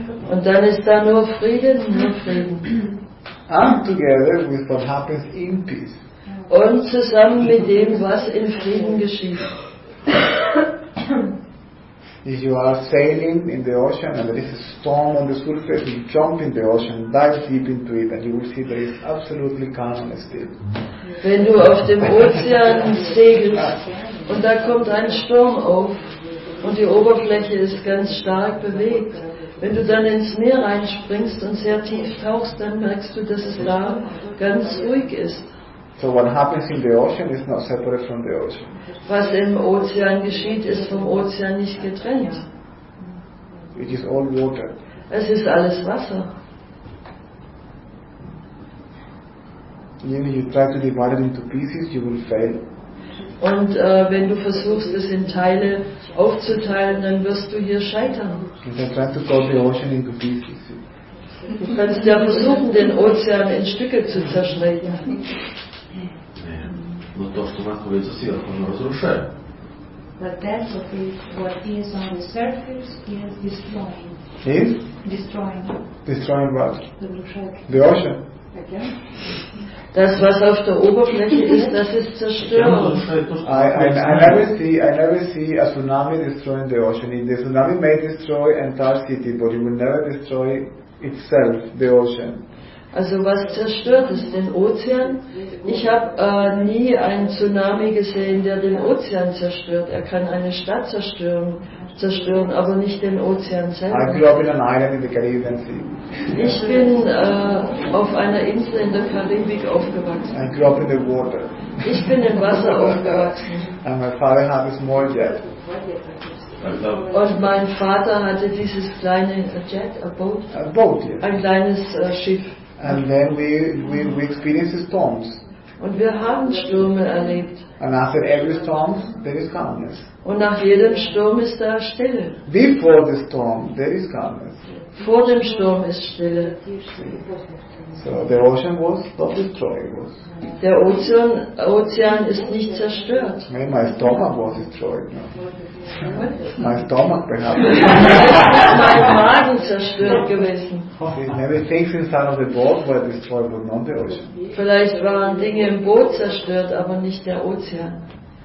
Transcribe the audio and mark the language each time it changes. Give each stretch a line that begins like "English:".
German: Und dann ist da nur Frieden, nur Frieden.
English: And together with what happens in peace.
German: Und zusammen mit dem, was in Frieden geschieht.
English: If you are sailing in the ocean and there is a storm on the surface, you jump in the ocean, dive deep into it, and you will see there is absolutely calm and still.
German: Wenn du auf dem Ozean segelst und da kommt ein Sturm auf, und die Oberfläche ist ganz stark bewegt. Wenn du dann ins Meer reinspringst und sehr tief tauchst, dann merkst du, dass es da ganz ruhig ist.
English: So what happens in the ocean is not separate from the ocean.
German: Was im Ozean geschieht, ist vom Ozean nicht getrennt.
English: It is all water.
German: Es ist alles Wasser.
English: Even if you try to divide it into pieces, you will fail.
German: Und wenn du versuchst, es in Teile aufzuteilen, dann wirst du hier scheitern.
English: If I try to cut the ocean into pieces.
German: Du kannst ja versuchen, den Ozean in Stücke zu zerschneiden.
Russian: Но то, что находится сверху, оно разрушает.
English: But that's what is on the surface is destroying. Is? Destroying. Destroying what? The ocean.
German: Das, was auf der Oberfläche ist, das ist Zerstörung.
English: I never see a tsunami destroying the ocean. The tsunami may destroy entire city, but it will never destroy itself, the ocean.
German: Also was zerstört ist den Ozean. Ich habe nie einen Tsunami gesehen, der den Ozean zerstört. Er kann eine Stadt zerstören, aber nicht den Ozean selber.
English: I grew up in an island in the Caribbean Sea.
German: Ich bin auf einer Insel in der Karibik aufgewachsen.
English: I grew up in the water.
German: Ich bin im Wasser aufgewachsen.
English: And my father had a small jet.
German: Und mein Vater hatte dieses kleine
English: a boat. A boat, yes.
German: Ein kleines Schiff.
English: And then we experienced storms.
German: Und wir haben Stürme erlebt.
English: And after every storm, there is calmness.
German: Und nach jedem Sturm ist da Stille.
English: Before the storm, there is calmness.
German: Vor dem Sturm ist Stille.
English: So the ocean was not destroyed.
German: Was. Der Ozean ist nicht zerstört.
English: Maybe my stomach was destroyed. No. My stomach, perhaps.
German: Mein Magen zerstört gewesen.
English: Maybe things inside of the boat were destroyed, but not the ocean.
German: Vielleicht waren Dinge im Boot zerstört, aber nicht der Ozean.